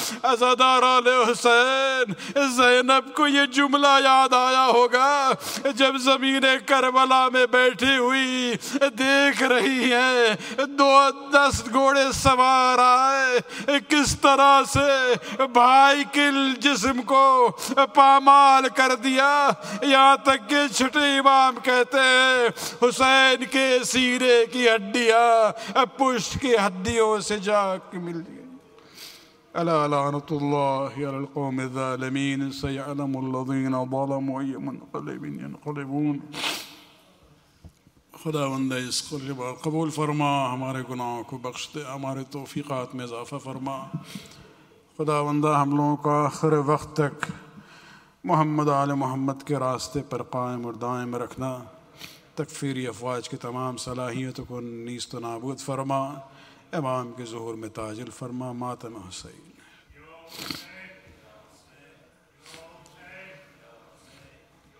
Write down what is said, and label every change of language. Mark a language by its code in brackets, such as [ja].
[ur] عزادار علی حسین زینب کو یہ جملہ یاد آیا ہوگا، جب زمین کربلا میں بیٹھی ہوئی دیکھ رہی ہیں دو دس گھوڑے سوار آئے، کس طرح سے بھائی کے جسم کو پامال کر دیا، یہاں تک کہ چھٹے امام کہتے ہیں حسین کے سینے کی ہڈیاں پشت کی ہڈیوں سے جا کے مل گئی. [ar] الا لعنت الله على القوم الظالمين سيعلم الذين ظلموا اي منقلب ينقلبون. [ur] خدا وند اس قرب قبول فرما، ہمارے گناہوں کو بخش دے، ہمارے توفیقات میں اضافہ فرما. خدا وند ہم لوگوں کو آخر وقت تک محمد آل محمد کے راستے پر قائم اور دائم رکھنا، تکفیری افواج کی تمام صلاحیتوں کو نیست و نابود فرما، امام کے ظہور میں تاجل فرما، ماتم حسین.